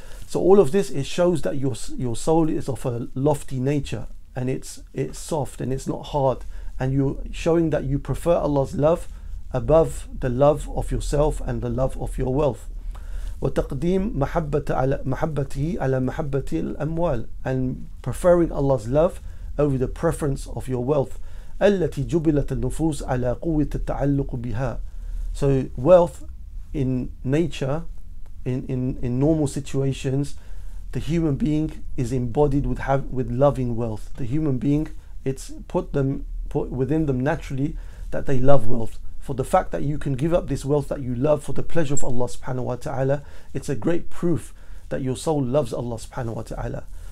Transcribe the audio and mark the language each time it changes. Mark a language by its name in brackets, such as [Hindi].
[English] So all of this, it shows that your soul is of a lofty nature and it's soft and it's not hard. And you're showing that you prefer Allah's love above the love of yourself and the love of your wealth. [Arabic] وَتَقْدِيمْ مَحَبَّتِهِ عَلَى مَحَبَّةِ الْأَمْوَالِ, [English] and preferring Allah's love over the preference of your wealth. [Arabic] أَلَّتِي جُبِلَتَ النُّفُوسِ عَلَى قُوِّةِ التَّعَلُّقُ بِهَا. [English] So wealth in nature, in normal situations, the human being is embodied with loving wealth. The human being, it's put within them naturally that they love wealth. For the fact that you can give up this wealth that you love for the pleasure of Allah subhanahu wa ta'ala, it's a great proof that your soul loves Allah subhanahu wa ta'ala.